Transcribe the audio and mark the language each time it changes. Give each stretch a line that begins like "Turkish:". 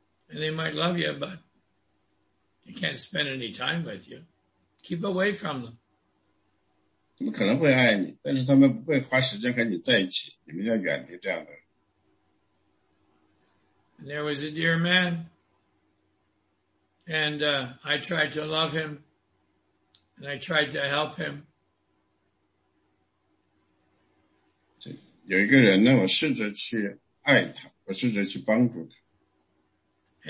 English: And they might love you, but you can't spend any time with you. Keep away from them.
Chinese: 他们可能会爱你,但是他们不会花时间和你在一起,你们要远离这样的人。
English: There was a dear man, and I tried to love him, and I tried to help him.
Chinese: 有一个人呢,我试着去爱他,我试着去帮助他。